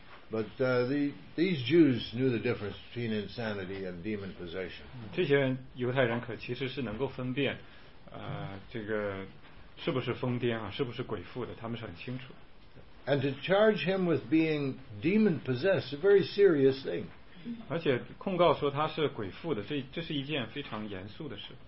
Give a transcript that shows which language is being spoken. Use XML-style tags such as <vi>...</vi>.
<en>But these Jews knew the difference between insanity and demon possession.</en> <zh>这些犹太人可其实是能够分辨，这个是不是疯癫啊，是不是鬼附的，他们是很清楚。</zh> <en>And to charge him with being demon possessed is a very serious thing.</en> <zh>而且控告说他是鬼附的，这是一件非常严肃的事。</zh>